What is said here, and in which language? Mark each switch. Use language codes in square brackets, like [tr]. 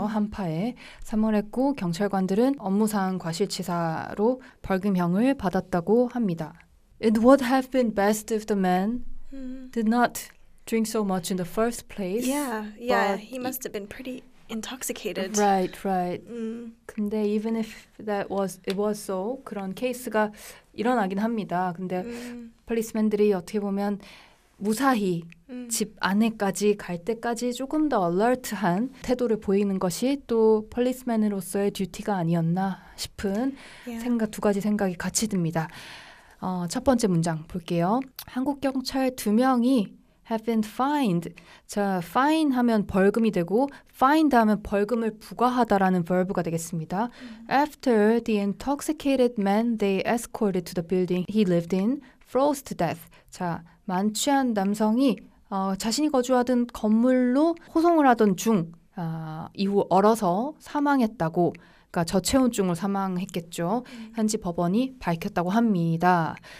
[ko] 한파에 사망했고 경찰관들은 업무상 과실치사로 벌금형을 받았다고 합니다. [en] It would have been best if the man did not drink so much in the first place. Yeah, he must have been pretty intoxicated. Right, right. Mm. [ko] 근데 [en] even if that was, it was so, [ko] 그런 케이스가 일어나긴 합니다. 근데 폴리스맨들이 어떻게 보면 무사히 집 안에까지 갈 때까지 조금 더 alert한 태도를 보이는 것이 또 폴리스맨으로서의 듀티가 아니었나 싶은 생각, 두 가지 생각이 같이 듭니다. 첫 번째 문장 볼게요. 한국 경찰 두 명이 [en] have been fined. [ko] 자, fine 하면 벌금이 되고 fined 하면 벌금을 부과하다라는 verb가 되겠습니다. [en] After the intoxicated man they escorted to the building he lived in froze to death. [ko] 자, 만취한 남성이 자신이 거주하던 건물로 호송을 하던 중 이후 얼어서 사망했다고. 그러니까 저체온증으로 사망했겠죠. 현지 법원이 밝혔다고 합니다.